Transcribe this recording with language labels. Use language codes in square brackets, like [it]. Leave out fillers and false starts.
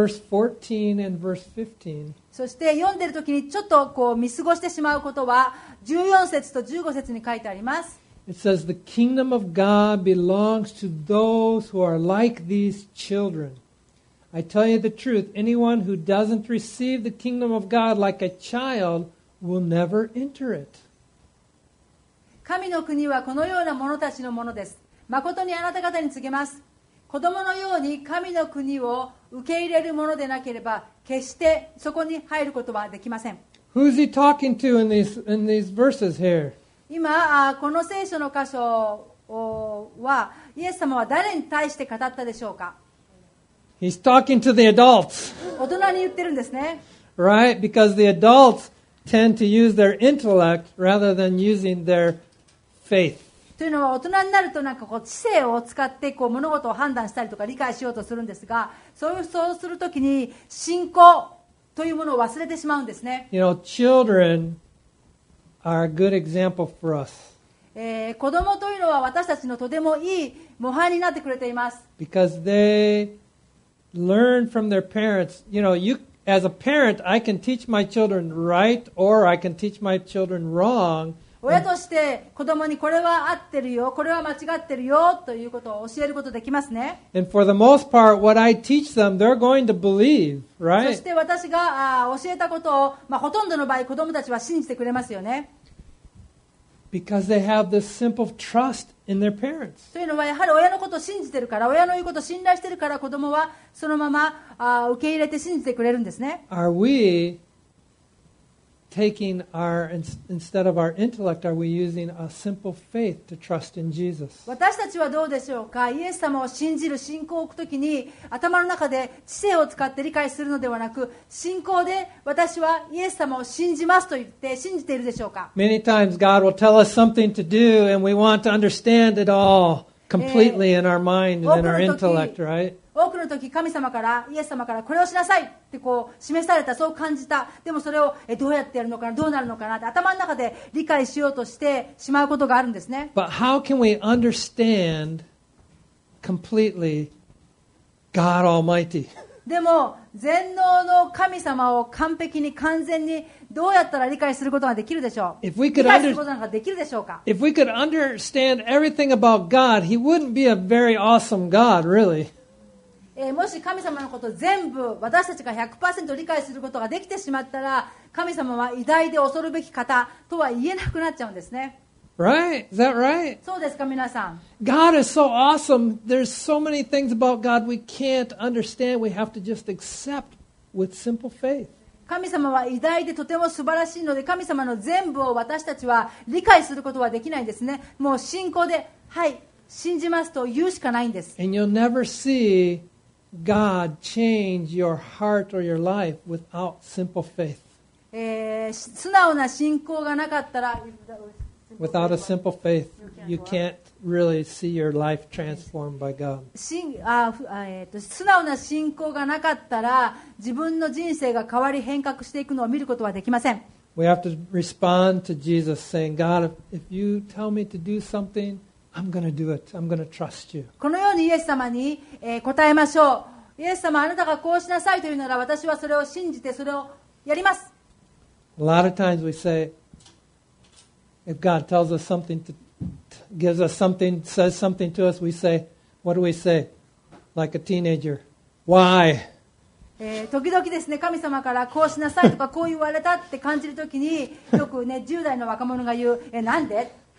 [ja] そして読んでいるときにちょっとこう見過ごしてしまうことは、14節と15節に書いてあります。 [en] It says, the kingdom of God belongs to those who are like these children. I tell you the truth, anyone who doesn't receive the kingdom of God like a child will never enter it. [ja] 神の国はこのような者たちのものです。まことにあなた方に告げます。子供のように神の国を受け入れるものでなければ、決してそこに入ることはできません。 [en] Who's he talking to in these verses here? [ja] 今、この聖書の箇所は、イエス様は誰に対して語ったでしょうか? [en] He's talking to the adults. [ja] 大人に言ってるんですね。 [en] Right? Because the adults tend to use their intellect rather than using their faith. [ja] というのは、大人になるとなんかこう知性を使ってこう物事を判断したりとか理解しようとするんですが、そういうそうするときに信仰というものを忘れてしまうんですね。 [en] You know, children are a good example for us. [ja] 子供というのは私たちのとてもいい模範になってくれています。 [en] Because they learn from their parents. You know, you as a parent, I can teach my children right or I can teach my children wrong. [ja] 親として子供にこれは合ってるよ、これは間違ってるよということを教えることができますね。 [en] And for the most part, what I teach them, they're going to believe, right? [ja] そして私が教えたことを、まあ、ほとんどの場合子供たちは信じてくれますよね。 [en] Because they have this simple trust in their parents. [ja] というのはやはり親のことを信じてるから、親の言うことを信頼してるから子供はそのまま受け入れて信じてくれるんですね。 [en] Are we... Taking our instead of our intellect, are we using a simple faith to trust in Jesus? [ja] 私たちはどうでしょうか。イエス様を信じる信仰を置くときに、頭の中で知性を使って理解するのではなく、信仰で私はイエス様を信じますと言って信じているでしょうか。 [en] Many times God will tell us something to do, and we want to understand it all completely in our mind and in our intellect, right? [ja] 多くの時神様からイエス様からこれをしなさいってこう示された、そう感じた。でもそれをどうやってやるのかな、どうなるのかなって頭の中で理解しようとしてしまうことがあるんですね。 [en] But how can we understand completely God Almighty? [ja] でも全能の神様を完璧に完全にどうやったら理解することができるでしょう。 [en] If we could [ja] 理解することなんかできるでしょうか。 [en] If we could understand everything about God, He wouldn't be a very awesome God, really [ja] もし神様のことを全部私たちが 100% 理解することができてしまったら、神様は偉大で恐るべき方とは言えなくなっちゃうんですね。 [en] Right? Is that right? [ja] そうですか、皆さん。 [en] God is so awesome. There's so many things about God we can't understand. We have to just accept with simple faith. [ja] 神様は偉大でとても素晴らしいので、神様の全部を私たちは理解することはできないんですね。もう信仰で、はい、信じますと言うしかないんです。 [en] And you'll never seeGod change your heart or your life without simple faith. [ja] 素直な信仰がなかったら、 [en] without a simple faith, you can't really see your life transformed by God. [ja] 素直な信仰がなかったら、自分の人生が変わり変革していくのを見ることはできません。 [en] We have to respond to Jesus saying, God, if you tell me to do something,I'm gonna do it. I'm gonna trust you. [ja] このようにイエス様に答えましょう。イエス様、あなたがこうしなさいというなら、私はそれを信じてそれをやります。 [en] A lot of times we say, if God tells us something, gives us something, says something to us, we say, what do we say? Like a teenager, why? [ja] 時々ですね、神様からこうしなさいとかこう言われたって感じるときによくね、10代の若者が言う、なんで?